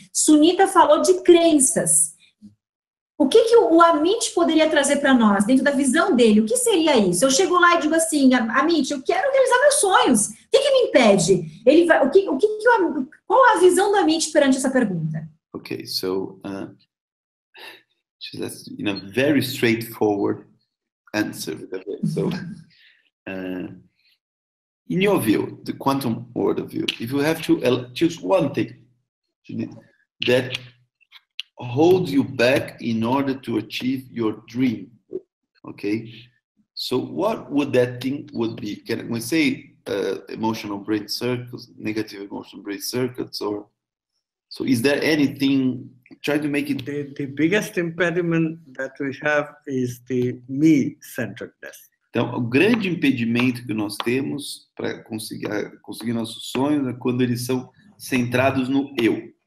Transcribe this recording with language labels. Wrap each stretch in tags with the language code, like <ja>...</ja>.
<pt>Sunita falou de crenças. O que, que o Amit poderia trazer para nós, dentro da visão dele? O que seria isso? Eu chego lá e digo assim, Amit, eu quero realizar meus sonhos. O que, que me impede? Ele vai, qual a visão do Amit perante essa pergunta?</pt> <en>Ok, so, that's in a very straightforward answer. So, in your view, the quantum world of view, if you have to choose one thing that holds you back in order to achieve your dream, okay? So what would that thing would be? Can we say emotional brain circles, negative emotional brain circuits, or so is there anything, try to make it? The biggest impediment that we have is the me-centeredness.</en> <pt>Então, o grande impedimento que nós temos para conseguir nossos sonhos é quando eles são centrados no eu.</pt>